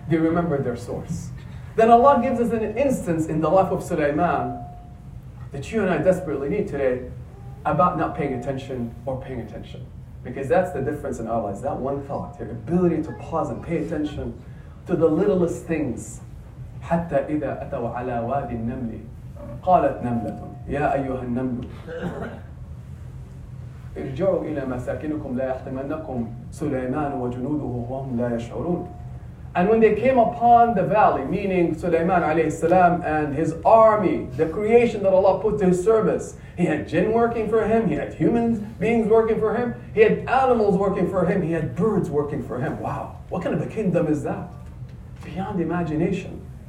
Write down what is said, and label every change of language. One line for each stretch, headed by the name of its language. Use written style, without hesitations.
English: They remember their source. Then Allah gives us an instance in the life of Sulaiman that you and I desperately need today about not paying attention or paying attention. Because that's the difference in our lives. That one thought, your ability to pause and pay attention to the littlest things.
Arabic: حتى إذا أتوا على وادي النمل قالت نملة يا أيها النمل ارجعوا إلى مساكنكم لا يحطمنكم سليمان وجنوده وهم لا يشعرون.
English: And when they came upon the valley, meaning Sulaiman عليه السلام and his army, the creation that Allah put to his service, he had jinn working for him, he had human beings working for him, he had animals working for him, he had birds working for him. Wow, what kind of a kingdom is that? Beyond imagination.